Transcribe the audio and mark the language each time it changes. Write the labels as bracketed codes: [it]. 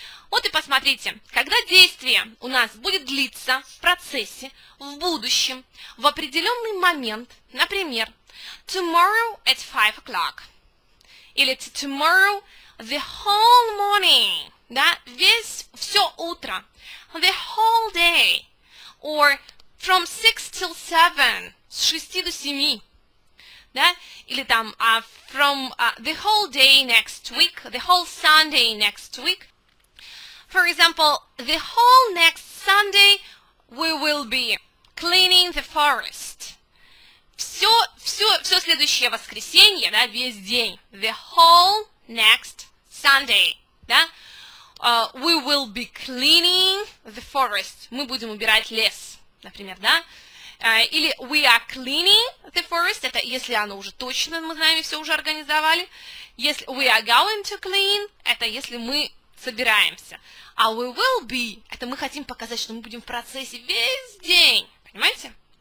[ru] Вот и посмотрите, когда действие у нас будет длиться в процессе, в будущем, в определенный момент, например, [en] tomorrow at 5 o'clock, [ru] или [en] tomorrow the whole morning, [ru] да, весь, все утро, [en] the whole day, or from 6 till 7, [ru] с 6 до 7, да, или там [en] from the whole day next week, [ru] the whole Sunday next week. [en] For example, the whole next Sunday we will be cleaning the forest. [ru] Все следующее воскресенье, да, весь день. [en] The whole next Sunday, [ru] да, [en] we will be cleaning the forest. [ru] Мы будем убирать лес, например, да. Или [en] we are cleaning the forest, [ru] это если оно уже точно, мы знаем, все уже организовали. Если [en] we are going to clean, [ru] это если мы собираемся. А [en] we will be, [ru] это мы хотим показать, что мы будем в процессе весь день. Понимаете?